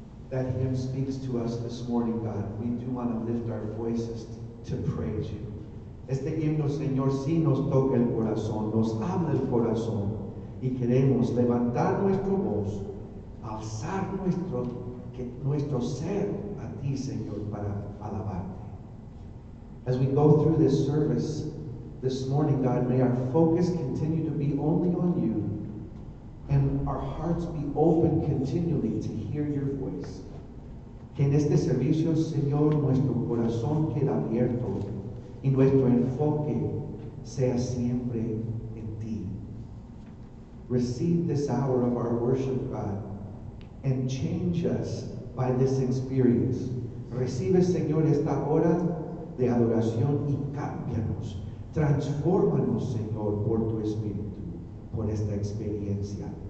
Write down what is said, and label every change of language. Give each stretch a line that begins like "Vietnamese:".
English: That hymn speaks to us this morning, God. We do want to lift our voices to praise you.
Spanish: Este himno, Señor, sí nos toca el corazón, nos habla el corazón, y queremos levantar nuestro voz, alzar nuestro ser a ti, Señor, para alabarte.
English: As we go through this service this morning, God, may our focus continue to be only on you, and our hearts be open continually to hear your voice.
Spanish: Que en este servicio, Señor, nuestro corazón quede abierto, y nuestro enfoque sea siempre en ti.
English: Receive this hour of our worship, God, and change us by this experience.
Spanish: Recibe, Señor, esta hora de adoración y cámbianos. Transfórmanos, Señor, por tu espíritu, por esta experiencia.